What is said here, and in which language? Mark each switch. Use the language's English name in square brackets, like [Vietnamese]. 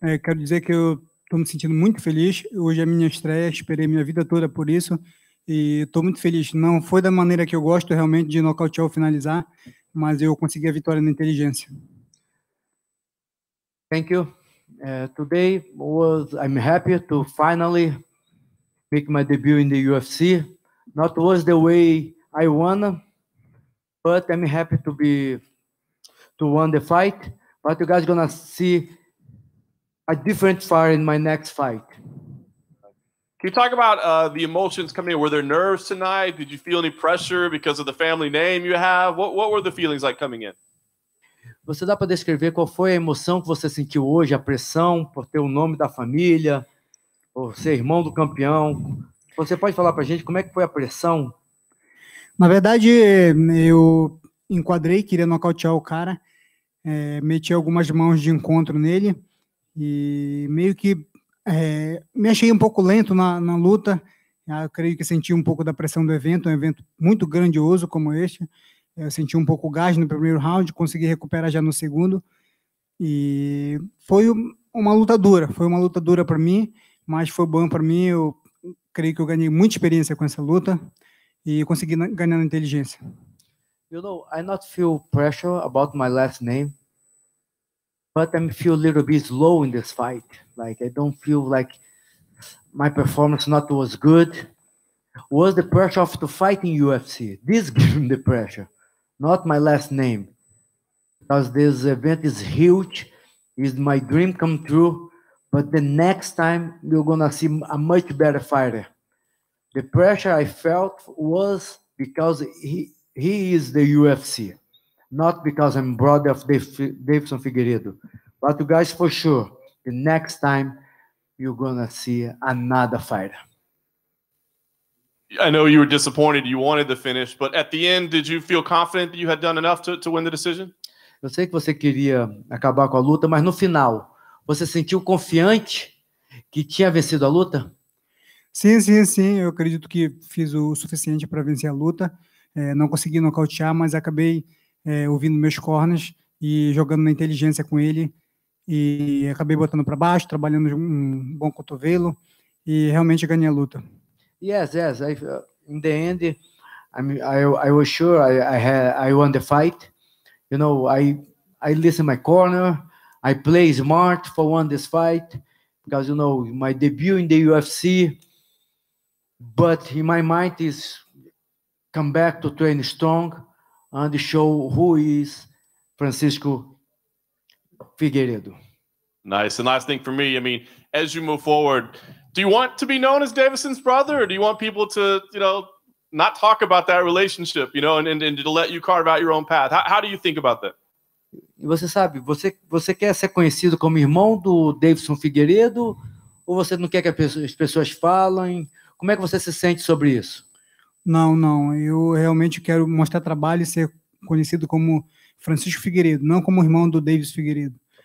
[Portuguese] Quero dizer que eu estou me sentindo muito feliz. Hoje é minha estreia, esperei minha vida toda por isso. E estou muito feliz. Não foi da maneira que eu gosto realmente de nocautear ou finalizar, mas eu consegui a vitória na inteligência. [English] Thank you. Today was I'm happy to finally make my debut in the UFC. Not was the way I wanna, but I'm happy to be to win the fight. But you guys are gonna see a different fight in my next fight. Can you talk about the emotions coming in? Were there nerves tonight? Did you feel any pressure because of the family name you have? What were the feelings like coming in? [Portuguese] Você dá para descrever qual foi a emoção que você sentiu hoje, a pressão por ter o nome da família, por ser irmão do campeão? Você pode falar para a gente como é que foi a pressão? Na verdade, eu enquadrei, queria nocautear o cara, meti algumas mãos de encontro nele e meio que me achei um pouco lento na luta. Eu creio que senti um pouco da pressão do evento, um evento muito grandioso como este. Eu senti um pouco gás no primeiro round, consegui recuperar já no segundo. E foi uma luta dura, para mim, mas foi bom para mim. Eu creio que eu ganhei muita experiência com essa luta e consegui ganhar na inteligência. [English] You know, I not feel pressure about my last name, but I feel a little bit slow in this fight. Like, I don't feel like my performance not was good. Was the pressure of the fight in UFC? This gave me the pressure. Not my last name, because this event is huge, is my dream come true, but the next time you're gonna see a much better fighter. The pressure I felt was because he is the UFC, not because I'm brother of Davidson Figueiredo. But you guys, for sure, the next time you're gonna see another fighter. I know you were disappointed, you wanted the finish, but at the end, did you feel confident that you had done enough to win the decision? [Portuguese] Eu sei que você queria acabar com a luta, mas no final, você sentiu confiante que tinha vencido a luta? Sim. Eu acredito que fiz o suficiente para vencer a luta. Não consegui nocautear, mas acabei ouvindo meus corners e jogando na inteligência com ele. E acabei botando para baixo, trabalhando um bom cotovelo e realmente ganhei a luta. [English] Yes. In the end, I was sure I won the fight. You know, I listen my corner. I play smart for won this fight because you know my debut in the UFC. But in my mind is come back to train strong and show who is Francisco Figueiredo. Nice. The last thing for me, I mean, as you move forward, do you want to be known as Davison's brother, or do you want people to, you know, not talk about that relationship, you know, and to let you carve out your own path? How do you think about that? [Portuguese] Você sabe, você quer ser conhecido como irmão do Davidson Figueiredo, ou você não quer que as pessoas falem? Como é que você se sente sobre isso? Não. Eu realmente quero mostrar trabalho e ser conhecido como Francisco Figueiredo, não como irmão do Davidson Figueiredo.